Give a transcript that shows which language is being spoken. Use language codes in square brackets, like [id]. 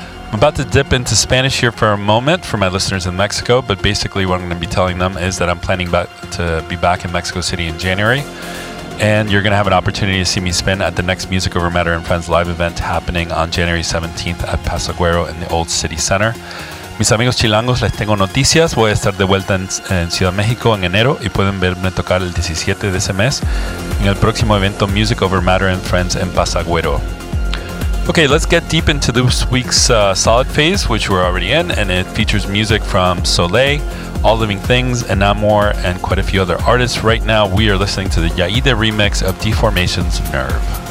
[en] I'm about to dip into Spanish here for a moment for my listeners in Mexico, but basically what I'm going to be telling them is that I'm planning to be back in Mexico City in January, and you're going to have an opportunity to see me spin at the next Music Over Matter and Friends live event happening on January 17th at Paso Agüero in the Old City Center. [es] Mis amigos chilangos, les tengo noticias. Voy a estar de vuelta en Ciudad México en enero y pueden verme tocar el 17 de ese mes en el próximo evento Music Over Matter and Friends en Pasagüero. [en] Okay, let's get deep into this week's solid phase, which we're already in, and it features music from Soleil, All Living Things, Enamor, and quite a few other artists. Right now, we are listening to the Yaide remix of Deformation's Nerve.